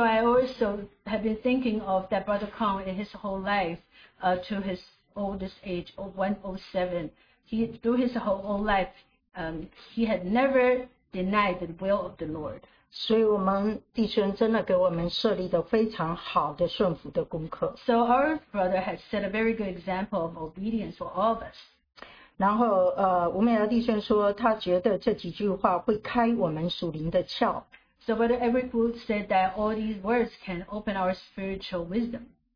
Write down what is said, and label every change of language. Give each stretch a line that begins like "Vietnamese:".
English: I also have been thinking of that Brother Kong in his whole life, to his oldest age, 107. He through his whole life, he had never denied the will of the Lord.
Chinese: 所以我们弟兄真的给我们设立的非常好的顺服的功课。So
English: our brother has set a very good example of obedience for all of us.
Chinese: 然后吴美瑶弟兄说，他觉得这几句话会开我们属灵的窍。So
English: Brother Edward Wood said that all these words can open our spiritual wisdom.